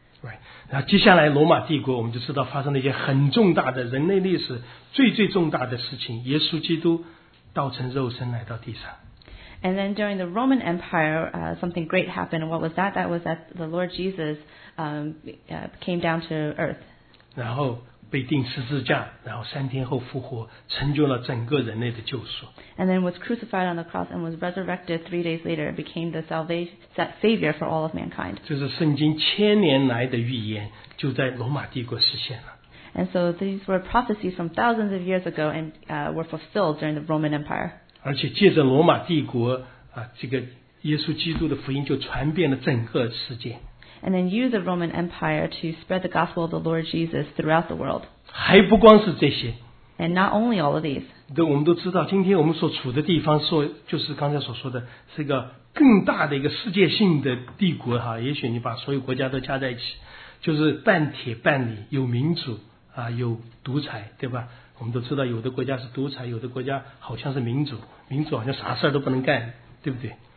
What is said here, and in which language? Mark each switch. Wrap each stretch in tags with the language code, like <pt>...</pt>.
<en>Right.</en> <zh>然后接下来罗马帝国，我们就知道发生了一件很重大的人类历史最最重大的事情：耶稣基督道成肉身来到地上。</zh> <en>And then during the Roman Empire, something great happened. What was that? That was that the Lord Jesus came down to earth.</en> <zh>然后被钉十字架，然后三天后复活，成就了整个人类的救赎。</zh> <en>And then was crucified on the cross and was resurrected 3 days later, became the savior for all of mankind.</en> <zh>就是圣经千年来的预言，就在罗马帝国实现了。</zh> <en>And so these were prophecies from thousands of years ago and were fulfilled during the Roman Empire.</en> <zh>而且借着罗马帝国这个耶稣基督的福音就传遍了整个世界。</zh> <en>And then use the Roman Empire to spread the gospel of the Lord Jesus throughout the world.</en> <zh>还不光是这些。</zh> <en>And not only all of these.</en> <zh>对，我们都知道，今天我们所处的地方说，就是刚才所说的，是个更大的一个世界性的帝国哈。也许你把所有国家都加在一起，就是半铁半泥，有民主有独裁，对吧？我们都知道，有的国家是独裁，有的国家好像是民主，民主好像啥事都不能干，对不对？</zh>